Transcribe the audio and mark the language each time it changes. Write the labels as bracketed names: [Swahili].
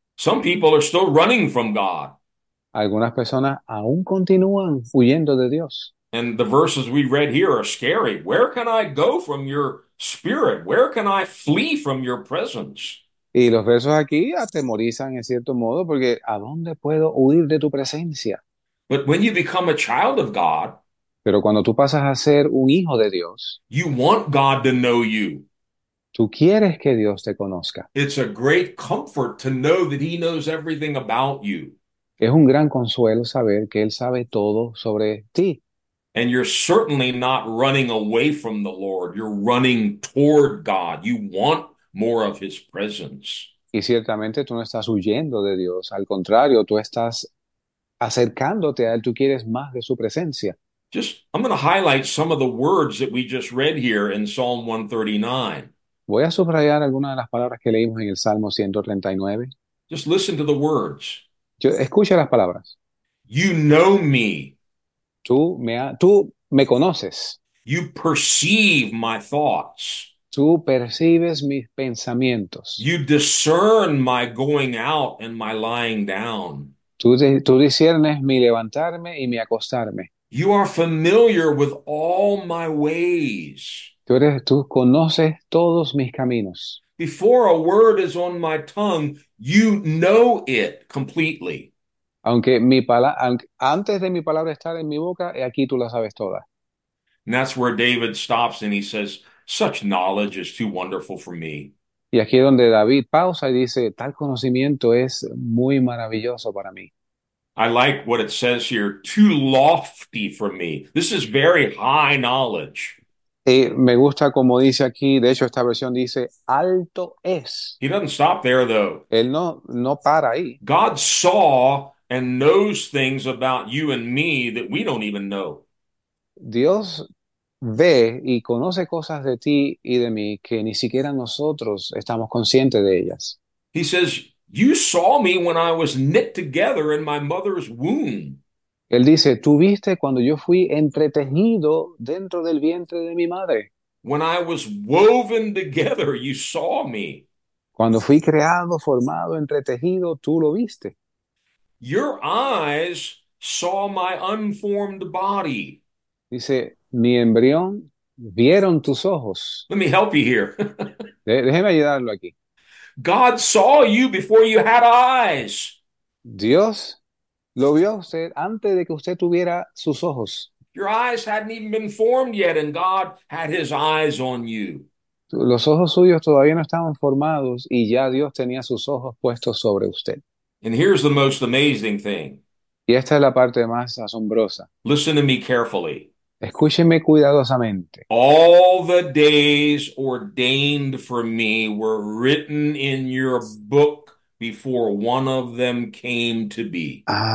[English] Some people are still running from God. [Spanish] Algunas personas aún continúan huyendo de Dios. [English] And the verses we read here are scary. Where can I go from your spirit? Where can I flee from your presence? [Spanish] Y los versos aquí atemorizan en cierto modo porque ¿a dónde puedo huir de tu presencia? [English] But when you become a child of God, [Spanish] Pero cuando tú pasas a ser un hijo de Dios, [English] you want God to know you. [Spanish] tú quieres que Dios te conozca. [English] It's a great comfort to know that he knows everything about you. [Spanish] Es un gran consuelo saber que Él sabe todo sobre ti. [English] And you're certainly not running away from the Lord. You're running toward God. You want more of his presence. [Spanish] Y ciertamente tú no estás huyendo de Dios, al contrario, tú estás acercándote a Él, tú quieres más de su presencia. [English] I'm going to highlight some of the words that we just read here in Psalm 139. [Spanish] Voy a subrayar algunas de las palabras que leímos en el Salmo 139. [English] Just listen to the words. [Spanish] Escucha las palabras. [English] You know me. [Spanish] Tú me conoces. [English] You perceive my thoughts. [Spanish] Tú percibes mis pensamientos. [English] You discern my going out and my lying down. [Spanish] Tú discernes mi levantarme y mi acostarme. [English] You are familiar with all my ways. [Spanish] Tú conoces todos mis caminos. [English] Before a word is on my tongue, you know it completely. [Spanish] Aunque antes de mi palabra estar en mi boca, aquí tú la sabes toda. [English] And that's where David stops and he says, such knowledge is too wonderful for me. [Spanish] Y aquí es donde David pausa y dice, tal conocimiento es muy maravilloso para mí. [English] I like what it says here, too lofty for me. This is very high knowledge. [Spanish] Y me gusta como dice aquí, de hecho esta versión dice, alto es. [English] He doesn't stop there, though. [Spanish] Él no para ahí. [English] God saw and knows things about you and me that we don't even know. [Spanish] Dios ve y conoce cosas de ti y de mí que ni siquiera nosotros estamos conscientes de ellas. [English] He says, you saw me when I was knit together in my mother's womb. [Spanish] Él dice, tú viste cuando yo fui entretejido dentro del vientre de mi madre. [English] When I was woven together, you saw me. [Spanish] Cuando fui creado, formado, entretejido, tú lo viste. [English] Your eyes saw my unformed body. [Spanish] Dice, mi embrión vieron tus ojos. [English] Let me help you here. [Spanish] Déjeme ayudarlo aquí. [English] God saw you before you had eyes. [Spanish] Dios lo vio usted antes de que usted tuviera sus ojos. [English] Your eyes hadn't even been formed yet, and God had his eyes on you. [Spanish] Los ojos suyos todavía no estaban formados y ya Dios tenía sus ojos puestos sobre usted. [English] And here's the most amazing thing. [Spanish] Y esta es la parte más asombrosa. [English] Listen to me carefully. [Spanish] Escúcheme cuidadosamente. [English] All the days ordained for me were written in your book before one of them came to be.